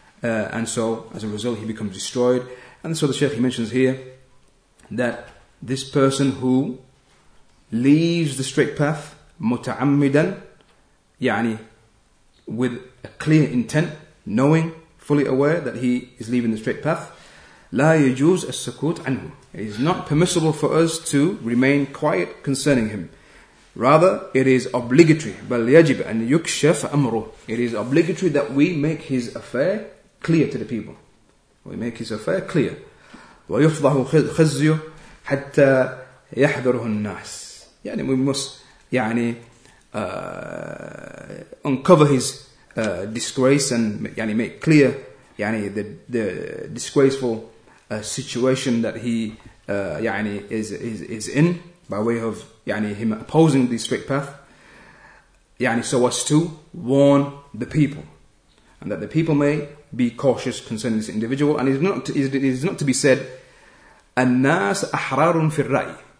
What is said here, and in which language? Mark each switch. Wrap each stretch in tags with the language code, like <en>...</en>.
<en>And so, as a result, he becomes destroyed. And so the Shaykh, he mentions here that this person who leaves the straight path, مُتَعَمِّدًا يعني with a clear intent, knowing, fully aware that he is leaving the straight path,</en> <ar>لا يجوز السكوت عنه.</ar> <en>It is not permissible for us to remain quiet concerning him. Rather, it is obligatory.</en> <ar>بل يجب أن يكشف أمره.</ar> <en>It is obligatory that we make his affair clear to the people. We make his affair clear.</en> <ar>ويفضح خزيه حتى يحذره الناس.</ar> <en>يعني we must, يعني, uncover his disgrace and يعني, make clear يعني, the disgraceful situation that he يعني, is in by way of يعني, him opposing the straight path يعني, so as to warn the people and that the people may be cautious concerning this individual and it is not to be said</en> <ar>الناس أحرار في الرأي</ar>